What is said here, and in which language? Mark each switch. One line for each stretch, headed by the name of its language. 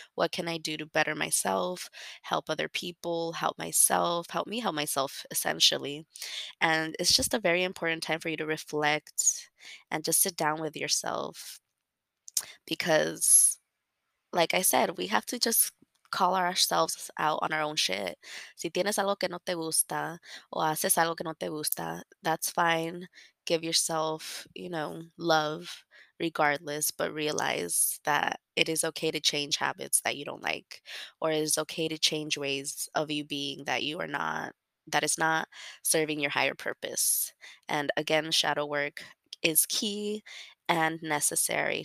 English: What can I do to better myself, help other people, help myself, help me help myself, essentially. And it's just a very important time for you to reflect and just sit down with yourself, because like I said, we have to just call ourselves out on our own shit.
Spanish: Si tienes algo que no te gusta o haces algo que no te gusta,
English: that's fine. Give yourself, you know, love regardless, but realize that it is okay to change habits that you don't like, or it is okay to change ways of you being that you are not, that is not serving your higher purpose. And again, shadow work is key and necessary.